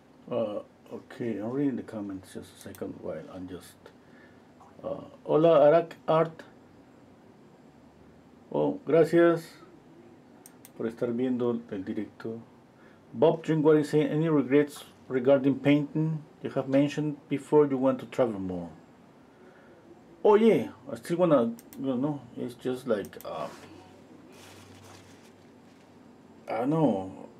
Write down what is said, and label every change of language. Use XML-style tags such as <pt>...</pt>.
<en>Okay, I'm reading the comments just a second while I'm just Hola Arak Art.</en> <es>Oh, gracias por estar viendo el directo.</es> <en>Bob Drinkwater is saying, any regrets regarding painting? You have mentioned before you want to travel more. Oh yeah, I still wanna, you know, it's just like, I don't know.</en>